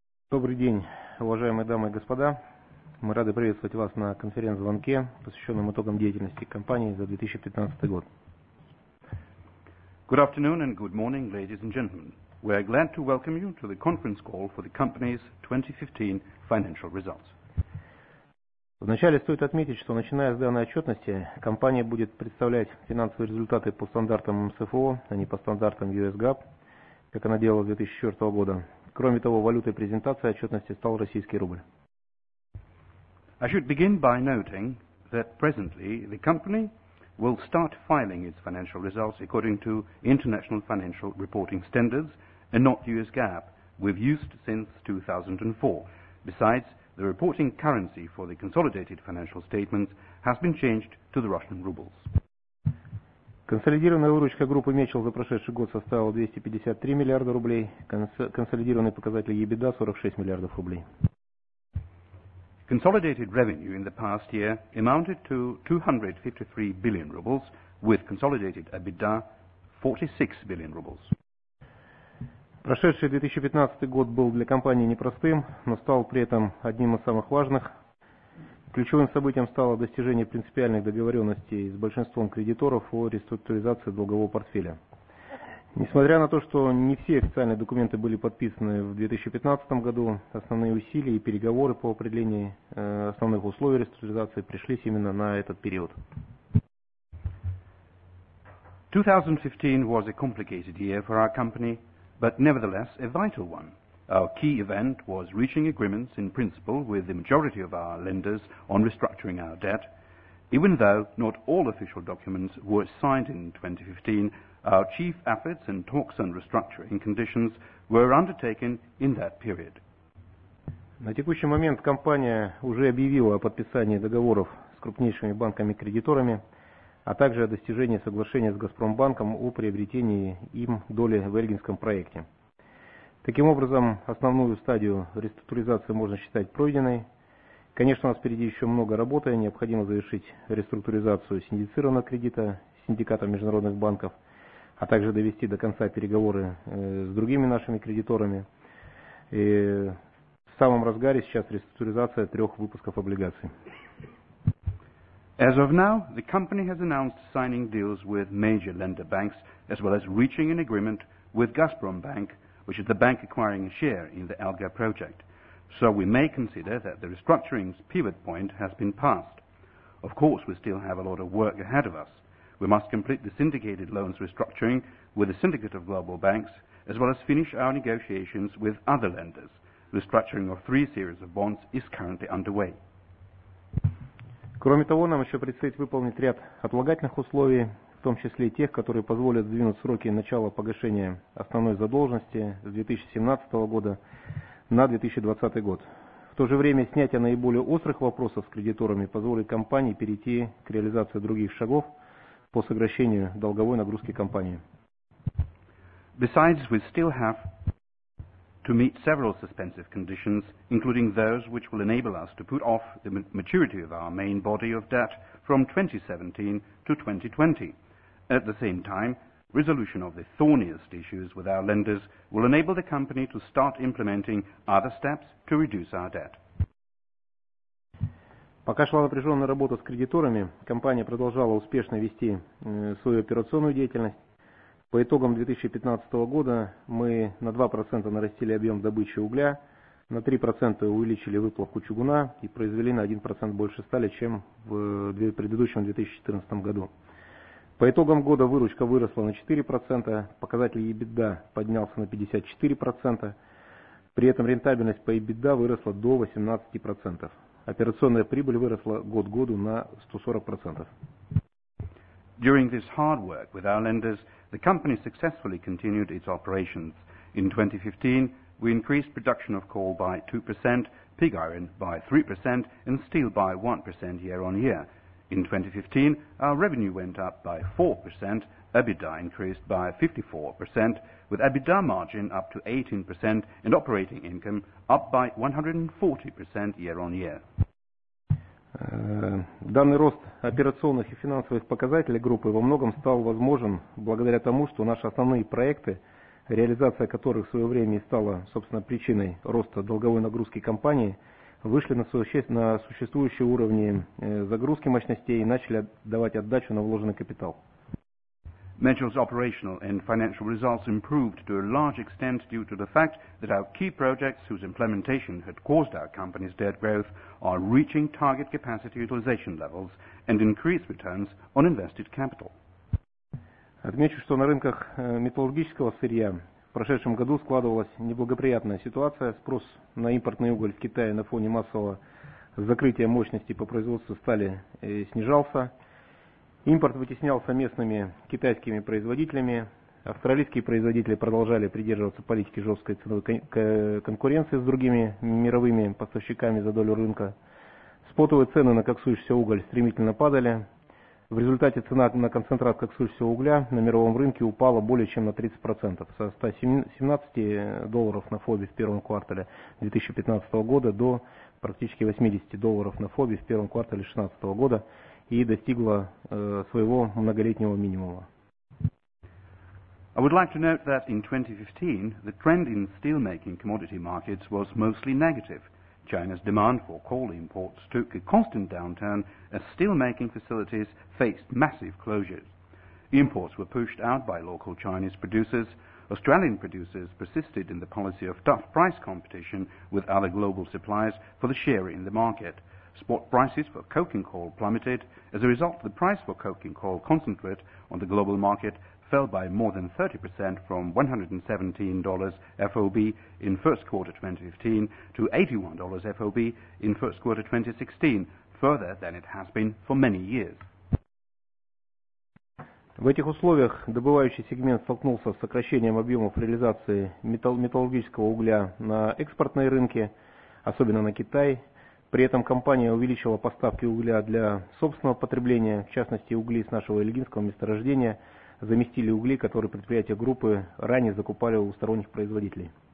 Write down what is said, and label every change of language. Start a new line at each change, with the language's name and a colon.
Russian: Добрый день, уважаемые дамы и господа. Мы рады приветствовать вас на конференц-звонке, посвященном итогам деятельности компании за 2015 год.
English: Good afternoon and good morning, ladies and gentlemen. We are glad to welcome you to the conference call for the company's 2015 financial results.
Russian: Вначале стоит отметить, что начиная с данной отчетности, компания будет представлять финансовые результаты по стандартам МСФО, а не по стандартам US GAAP, как она делала с 2004 года. Кроме того, валютой презентации отчетности стал российский рубль.
English: I should begin by noting that presently the company will start filing its financial results according to International Financial Reporting Standards and not US GAAP, we've used since 2004. Besides, the reporting currency for the consolidated financial statements has been changed to the Russian rubles.
Russian: Консолидированная выручка группы Mekko за прошедший год составила 253 миллиарда рублей. Консолидированные показатели EBITDA 46 миллиардов рублей.
English: Consolidated revenue in the past year amounted to 253 billion rubles, with consolidated EBITDA 46 billion rubles.
Russian: Прошедший 2015 год был для компании непростым, но стал при этом одним из самых важных. Ключевым событием стало достижение принципиальных договоренностей с большинством кредиторов о реструктуризации долгового портфеля. Несмотря на то, что не все официальные документы были подписаны в 2015 году, основные усилия и переговоры по определению основных условий реструктуризации пришлись именно на этот период.
English: 2015 was a complicated year for our company, but nevertheless a vital one. Our key event was reaching agreements in principle with the majority of our lenders on restructuring our debt. Even though not all official documents were signed in 2015, our chief efforts and talks on restructuring conditions were undertaken in that period.
Russian: На текущий момент компания уже объявила о подписании договоров с крупнейшими банками-кредиторами, а также о достижении соглашения с Газпромбанком о приобретении им доли в Эльгинском проекте. Таким образом, основную стадию реструктуризации можно считать пройденной. Конечно, у нас впереди еще много работы. Необходимо завершить реструктуризацию синдицированного кредита с синдикатом международных банков, а также довести до конца переговоры с другими нашими кредиторами. В самом разгаре сейчас реструктуризация трех выпусков облигаций.
English: As of now, the company has announced signing deals with major lender banks, as well as reaching an agreement with Gazprombank, which is the bank acquiring a share in the Alga project. We may consider that the restructuring's pivot point has been passed. Of course, we still have a lot of work ahead of us. We must complete the syndicated loans restructuring with the Syndicate of Global Banks, as well as finish our negotiations with other lenders. Restructuring of three series of bonds is currently underway.
Russian: Кроме того, нам еще предстоит выполнить ряд отлагательных условий, в том числе тех, которые позволят сдвинуть сроки начала погашения основной задолженности с 2017 года на 2020 год. В то же время снятие наиболее острых вопросов с кредиторами позволит компании перейти к реализации других шагов по сокращению долговой нагрузки компании.
English: Besides, we still have to meet several suspensive conditions, including those which will enable us to put off the maturity of our main body of debt from 2017 to 2020. At the same time, resolution of the thorniest issues with our lenders will enable the company to start implementing other steps to reduce our debt.
Russian: Пока шла напряженная работа с кредиторами, компания продолжала успешно вести свою операционную деятельность. По итогам 2015 года мы на 2% нарастили объем добычи угля, на 3% увеличили выплавку чугуна и произвели на 1% больше стали, чем в предыдущем 2014 году. По итогам года выручка выросла на 4%, показатель EBITDA поднялся на 54%, при этом рентабельность по EBITDA выросла до 18%. Операционная прибыль выросла год к году на 140%.
English: During this hard work with our lenders, the company successfully continued its operations. In 2015, we increased production of coal by 2%, pig iron by 3%, and steel by 1% year on year. In 2015, our revenue went up by 4%, EBITDA increased by 54%, with EBITDA margin up to 18% and operating income up by 140% year on year.
Russian: Данный рост операционных и финансовых показателей группы во многом стал возможен благодаря тому, что наши основные проекты, реализация которых в свое время и стала, собственно, причиной роста долговой нагрузки компании, вышли на существующие уровни загрузки мощностей и начали давать отдачу на вложенный капитал.
English: Metro's operational and financial results improved to a large extent due to the fact that our key projects, whose implementation had caused our company's debt growth, are reaching target capacity utilization levels and increased returns on invested capital.
Russian: Отмечу, что на рынках металлургического сырья в прошедшем году складывалась неблагоприятная ситуация. Спрос на импортный уголь в Китае на фоне массового закрытия мощностей по производству стали снижался. Импорт вытеснялся местными китайскими производителями. Австралийские производители продолжали придерживаться политики жесткой ценовой конкуренции с другими мировыми поставщиками за долю рынка. Спотовые цены на коксующийся уголь стремительно падали. В результате цена на концентрат коксующегося угля на мировом рынке упала более чем на 30%, со 117 долларов на ФОБе в первом квартале 2015 года до практически 80 долларов на ФОБе в первом квартале 2016 года. И достигла своего многолетнего минимума.
English: I would like to note that in 2015 the trend in steelmaking commodity markets was mostly negative. China's demand for coal imports took a constant downturn as steelmaking facilities faced massive closures. Imports were pushed out by local Chinese producers. Australian producers persisted in the policy of tough price competition with other global suppliers for the share in the market. Spot prices for coking coal plummeted. As a result, the price for coking coal concentrate on the global market fell by more than 30% from $117 FOB in first quarter 2015 to $81 FOB in first quarter 2016, further than it has been for many years.
Russian: В этих условиях добывающий сегмент столкнулся с сокращением объемов реализации металлургического угля на экспортные рынки, особенно на Китай. При этом компания увеличила поставки угля для собственного потребления, в частности, угли с нашего Ильгинского месторождения заместили угли, которые предприятия группы ранее закупали у сторонних производителей.